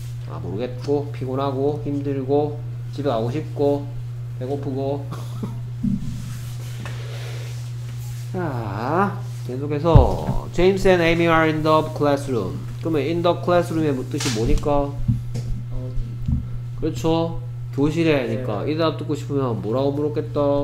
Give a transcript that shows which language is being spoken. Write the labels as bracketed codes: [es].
[ko] 아, 모르겠고, 피곤하고, 힘들고, 집에 가고 싶고, 배고프고. [en] 자, 계속해서 James and Amy are in the classroom. [ko] 그러면 [en] in the classroom [ko] 의 뜻이 뭐니까? 그렇죠. 교실에니까 이 대답 듣고 싶으면 뭐라고 물었겠다?